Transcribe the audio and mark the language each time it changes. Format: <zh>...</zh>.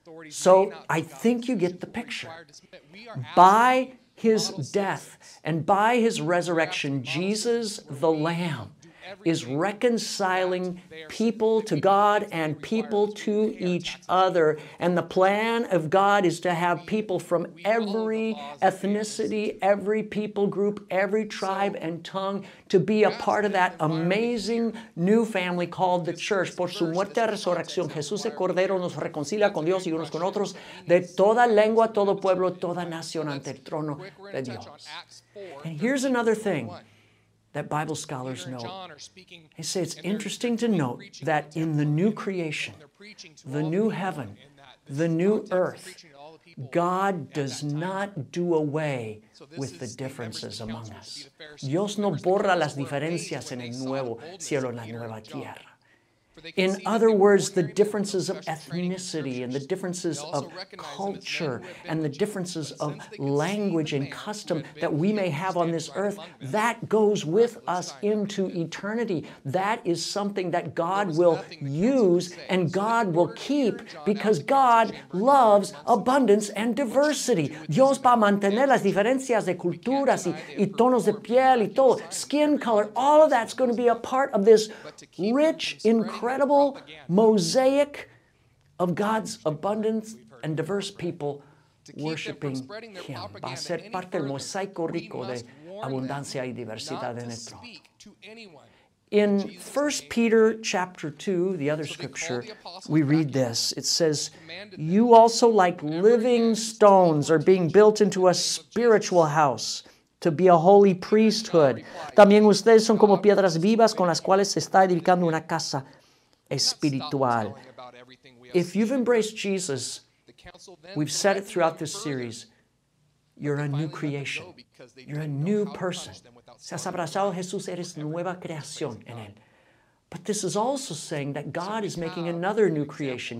<en>So I think you get the picture. By His death and by His resurrection, Jesus the Lamb is reconciling people to God and people to each other. And the plan of God is to have people from every ethnicity, every people group, every tribe and tongue to be a part of that amazing new family called the church.</en> <es>Por su muerte y resurrección, Jesús el Cordero nos reconcilia con Dios y unos con otros de toda lengua, todo pueblo, toda nación ante el trono de Dios.</es> <en>And here's another thing that Bible scholars know. They say it's interesting to note that in the new creation, the new heaven, the new earth, God does not do away with the differences among us.</en> <es>Dios no borra las diferencias en el nuevo cielo, en la nueva tierra.</es> <en>In other words, the differences of ethnicity and the differences of culture and the differences of language and custom that we may have on this earth, that goes with us into eternity. That is something that God will use and God will keep because God loves abundance and diversity.</en> <es>Dios va a mantener las diferencias de culturas y tonos de piel y todo,</es> <en>skin color, all of that's going to be a part of this rich, incredible mosaic of God's abundance and diverse people worshiping Him.</en> <es>Va a ser parte del mosaico rico de abundancia y diversidad en el trono.</es> <en>In 1 Peter chapter 2, the other scripture, we read this. It says, you also like living stones are being built into a spiritual house to be a holy priesthood.</en> <es>También ustedes son como piedras vivas con las cuales se está edificando una casa espiritual.</es> <en>If you've embraced Jesus, we've said it throughout this series, you're a new creation. You're a new person.</en> <es>Si has abrazado a Jesús, eres nueva creación en Él.</es> <en>But this is also saying that God is making another new creation.</en>